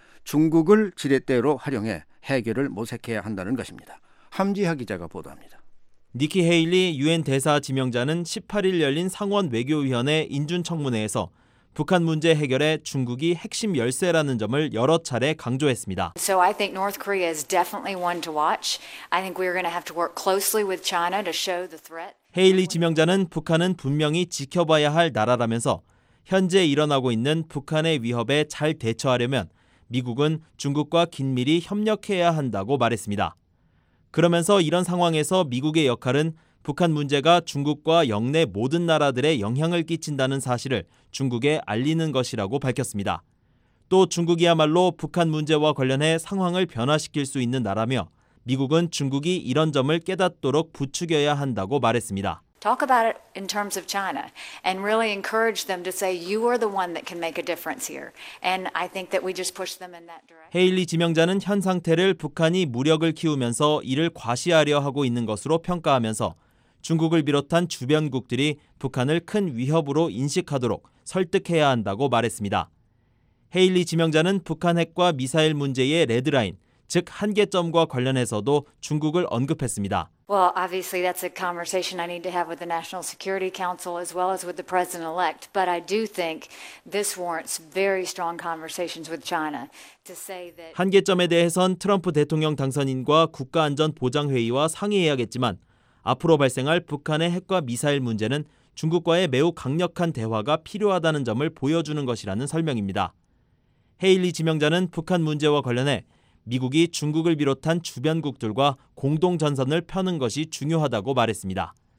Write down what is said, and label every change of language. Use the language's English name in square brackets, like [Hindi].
[Korean] 중국을 지렛대로 활용해 해결을 모색해야 한다는 것입니다. 함지하 기자가 보도합니다. 니키 헤일리 유엔 대사 지명자는 18일 열린 상원 외교위원회 인준청문회에서 북한 문제 해결에 중국이 핵심 열쇠라는 점을 여러 차례 강조했습니다. [English] So I think North Korea is definitely one to watch. I think we're going to have to work closely with China to show the threat. [Korean] 헤일리 지명자는 북한은 분명히 지켜봐야 할 나라라면서 현재 일어나고 있는 북한의 위협에 잘 대처하려면 미국은 중국과 긴밀히 협력해야 한다고 말했습니다. 그러면서 이런 상황에서 미국의 역할은 북한 문제가 중국과 역내 모든 나라들의 영향을 끼친다는 사실을 중국에 알리는 것이라고 밝혔습니다. 또 중국이야말로 북한 문제와 관련해 상황을 변화시킬 수 있는 나라며 미국은 중국이 이런 점을 깨닫도록 부추겨야 한다고 말했습니다. [English] Talk about it in terms of China and really encourage them to say you are the one that can make a difference here. And I think that we just push them in that direction. [Korean] 헤일리 지명자는 현 상태를 북한이 무력을 키우면서 이를 과시하려 하고 있는 것으로 평가하면서 중국을 비롯한 주변국들이 북한을 큰 위협으로 인식하도록 설득해야 한다고 말했습니다. 헤일리 지명자는 북한 핵과 미사일 문제의 레드라인, 즉 한계점과 관련해서도 중국을 언급했습니다. [English] Well, obviously that's a conversation I need to have with the National Security Council as well as with the President-elect. But I do think this warrants very strong conversations with China to say that [Korean] 한계점에 대해선 트럼프 대통령 당선인과 국가안전보장회의와 상의해야겠지만 앞으로 발생할 북한의 핵과 미사일 문제는 중국과의 매우 강력한 대화가 필요하다는 점을 보여주는 것이라는 설명입니다. 헤일리 지명자는 북한 문제와 관련해 미국이 중국을 비롯한 주변국들과 공동전선을 펴는 것이 중요하다고 말했습니다.